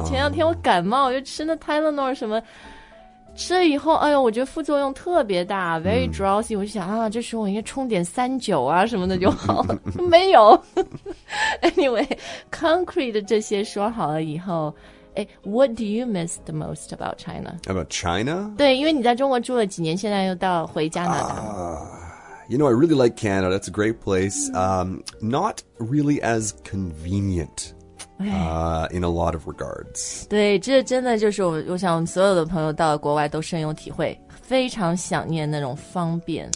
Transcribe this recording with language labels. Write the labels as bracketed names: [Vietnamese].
[Chinese] 前两天我感冒、就吃那 Tylenol 什么。吃了以后哎呦我觉得副作用特别大 , [English] very drowsy, [Chinese] 我就想啊这时候我应该冲点三九啊什么的就好了。没有。 [English] anyway, concrete [Chinese] 这些说好了以后哎 [English] ,what do you miss the most about China? About China? [Chinese] 对因为你在中国住了几年现在又到回加拿大。 [English] You know, I really like Canada. That's a great place. Not really as convenient、in a lot of regards. [Chinese] 对，这真的就是我想我们所有的朋友到了国外都深有体会，非常想念那种方便